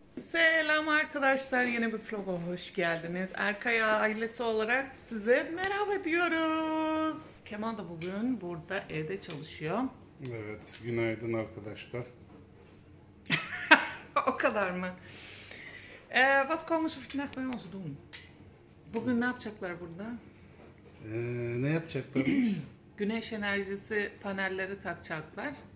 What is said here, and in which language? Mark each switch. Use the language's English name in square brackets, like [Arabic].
[Turkish] Selam arkadaşlar, yeni bir vloga hoş geldiniz. Erkaya ailesi olarak size merhaba diyoruz. Kemal da bugün burada evde çalışıyor. Evet, günaydın arkadaşlar. O kadar mı? [Dutch] Wat komen ze vandaag bij ons doen? [Turkish] Bugün ne yapacaklar burada? Ne yapacaklar? Güneş enerjisi panelleri takacaklar.